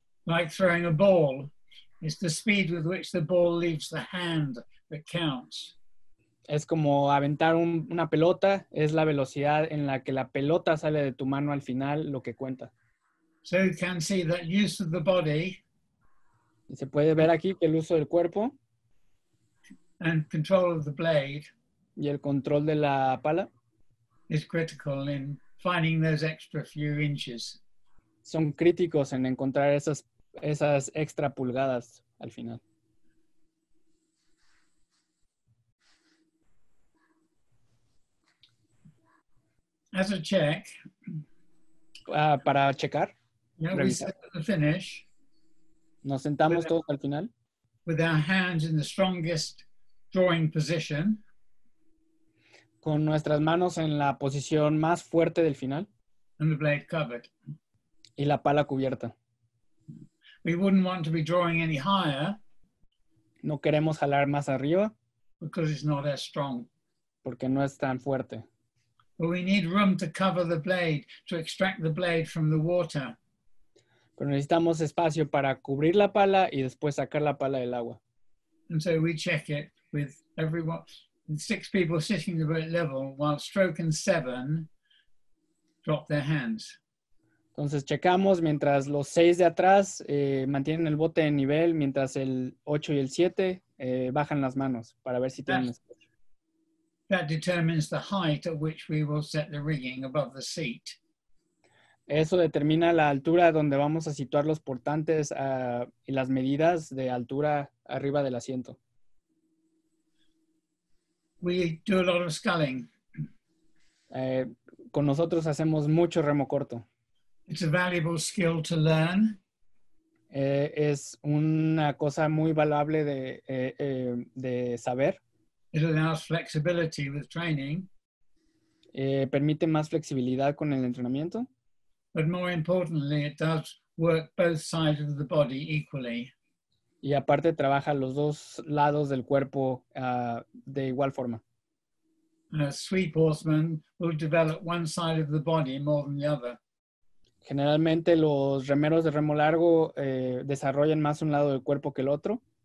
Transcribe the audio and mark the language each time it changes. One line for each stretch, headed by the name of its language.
English: Like throwing a ball. It's the speed with which the ball leaves the hand that counts.
Spanish: Es como aventar una pelota, es la velocidad en la que la pelota sale de tu mano al final lo que cuenta.
English: So you can see that use of the body.
Spanish: Y se puede ver aquí que el uso del cuerpo
English: and control of the blade
Spanish: y el control de la pala
English: is critical in finding those extra few inches.
Spanish: Son críticos en encontrar esas extra pulgadas al final.
English: As a check,
Spanish: para checar,
English: yeah, we sit at the finish.
Spanish: Nos sentamos todos al final.
English: With our hands in the strongest drawing position.
Spanish: Con nuestras manos en la posición más fuerte del final.
English: And the blade covered.
Spanish: Y la pala cubierta.
English: We wouldn't want to be drawing any higher.
Spanish: No queremos jalar más arriba.
English: Because it's not as strong.
Spanish: Porque no es tan fuerte.
English: But we need room to cover the blade, to extract the blade from the water.
Spanish: Pero necesitamos espacio para cubrir la pala y después sacar la pala del agua.
English: And so we check it with everyone, six people sitting at the boat level, while stroke and seven drop their hands.
Spanish: Entonces checamos mientras los seis de atrás mantienen el bote de nivel, mientras el ocho y el siete bajan las manos para ver si tienen espacio.
English: That determines the height at which we will set the rigging above the seat.
Spanish: Eso determina la altura donde vamos a situar los portantes y las medidas de altura arriba del asiento.
English: We do a lot of sculling.
Spanish: Con nosotros hacemos mucho remo corto.
English: It's a valuable skill to learn.
Spanish: Es una cosa muy valable de saber.
English: It allows flexibility with training.
Spanish: Permite más flexibilidad con el entrenamiento.
English: But more importantly, it does work both sides of the body equally.
Spanish: Y aparte trabaja los dos lados del cuerpo de igual forma.
English: A sweep oarsman will develop one side of the body more than the other.
Spanish: Generalmente los remeros de remo largo desarrollan más un lado del cuerpo que el otro.